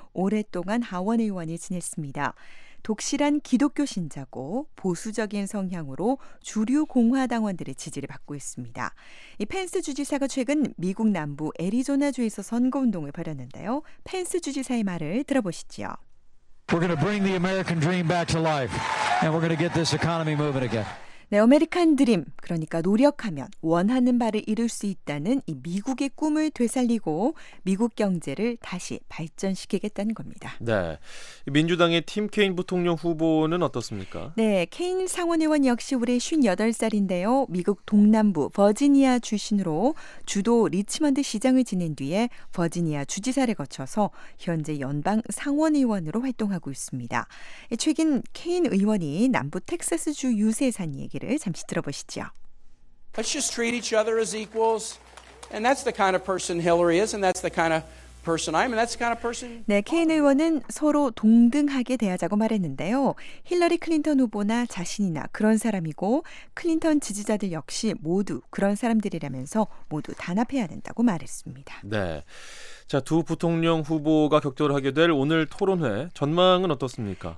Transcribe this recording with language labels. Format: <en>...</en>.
<ko>오랫동안 하원의원을 지냈습니다. 독실한 기독교 신자고 보수적인 성향으로 주류 공화당원들의 지지를 받고 있습니다. 이 펜스 주지사가 최근 미국 남부 애리조나주에서 선거운동을 벌였는데요. 펜스 주지사의 말을 들어보시죠.</ko> <en>We're going to bring the American dream back to life and we're going to get this economy moving again.</en> <ko>네, 아메리칸 드림, 그러니까 노력하면 원하는 바를 이룰 수 있다는 이 미국의 꿈을 되살리고 미국 경제를 다시 발전시키겠다는 겁니다. 네, 민주당의 팀 케인 부통령 후보는 어떻습니까? 네, 케인 상원의원 역시 올해 58살인데요. 미국 동남부 버지니아 출신으로 주도 리치먼드 시장을 지낸 뒤에 버지니아 주지사를 거쳐서 현재 연방 상원의원으로 활동하고 있습니다. 최근 케인 의원이 남부 텍사스주 유세산이 얘기를 잠시 들어보시죠.</ko> <en>Let's just treat each other as equals. And that's the kind of person Hillary is and that's the kind of person I am and that's the kind of person.</en> <ko>네, 케인 의원은 서로 동등하게 대하자고 말했는데요. 힐러리 클린턴 후보나 자신이나 그런 사람이고 클린턴 지지자들 역시 모두 그런 사람들이라면서 모두 단합해야 된다고 말했습니다. 네. 자, 두 부통령 후보가 격돌하게 될 오늘 토론회 전망은 어떻습니까?</ko>